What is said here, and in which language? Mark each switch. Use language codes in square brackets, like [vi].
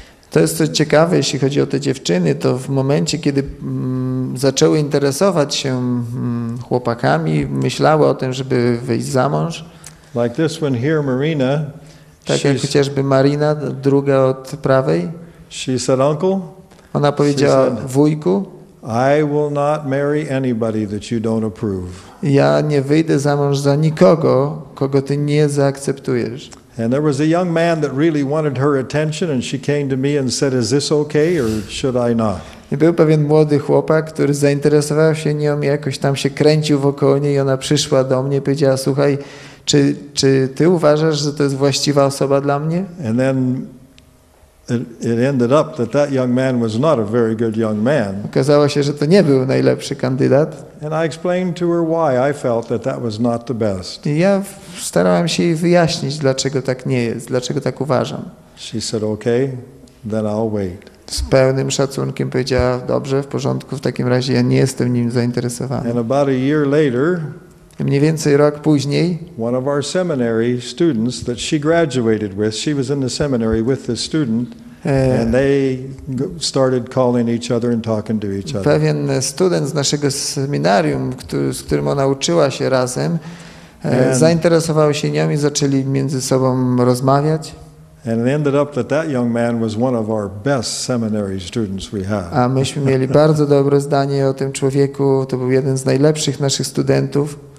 [pl] To jest coś ciekawe, jeśli chodzi o te dziewczyny, to w momencie, kiedy zaczęły interesować się chłopakami, myślały o tym, żeby wyjść za mąż. [en] Like this one here, Marina. [pl] Tak jak chociażby Marina, druga od prawej. [en] She said, "Uncle." [pl] Ona powiedziała, wujku. [en] I will not marry anybody that you don't approve. [pl] Ja nie wyjdę za mąż za nikogo, kogo ty nie zaakceptujesz. [en] And there was a young man that really wanted her attention, and she came to me and said, "Is this okay, or should I not?" [pl] I był pewien młody chłopak, który zainteresował się nią i jakoś tam się kręcił wokół niej, i ona przyszła do mnie i powiedziała, słuchaj, czy ty uważasz, że to jest właściwa osoba dla mnie? [en] And then it ended up that that young man was not a very good young man. [pl] Okazało się, że to nie był najlepszy kandydat. [en] And I explained to her why I felt that that was not the best. [pl] I ja starałem się jej wyjaśnić, dlaczego tak nie jest, dlaczego tak uważam. [en] She said, "Okay, then I'll wait." [pl] Z pełnym szacunkiem powiedziała, dobrze, w porządku, w takim razie ja nie jestem nim zainteresowany. [en] And about a year later, [pl] mniej więcej rok później, [en] one of our seminary students that she graduated with, she was in the seminary with this student, and they started calling each other and talking to each other. [pl] Pewien student z naszego seminarium, z którym ona uczyła się razem, zainteresował się nią i zaczęli między sobą rozmawiać. [en] And it ended up that that young man was one of our best seminary students we had. [pl] A myśmy mieli bardzo dobre zdanie o tym człowieku. To był jeden z najlepszych naszych studentów.